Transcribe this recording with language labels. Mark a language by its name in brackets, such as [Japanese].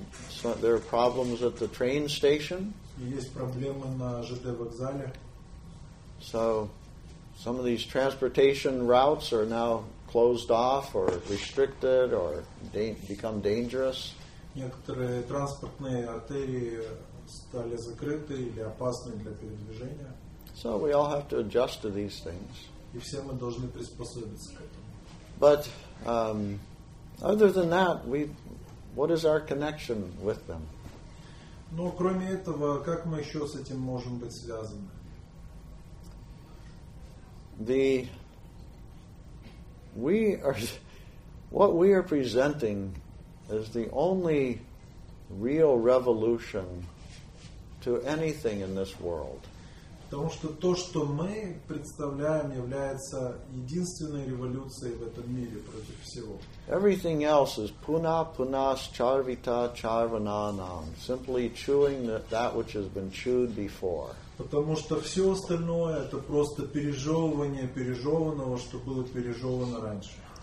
[English] So there are problems at the train station. [Russian] Есть проблемы на ЖД вокзале. [English] So some of these transportation routes are now closed off or restricted or become dangerous. [Russian] Некоторые транспортные артерии стали закрыты или опасны для передвижения. [English] So we all have to adjust to these things. [Russian] И все мы должны приспособиться к этому. [English] But other than that, what is our connection with them? [Russian] Но кроме этого, как мы еще с этим можем быть связаны? [English] What we are presenting is the only real revolution to anything in this world. [Russian] Потому что то, что мы представляем, является единственной революцией в этом мире против всего. [English] Everything else is [Sanskrit] puna punas charvita charvananam, [English] simply chewing that which has been chewed before. [Russian] Потому что все остальное это просто пережевывание пережеванного, что было пережевано раньше.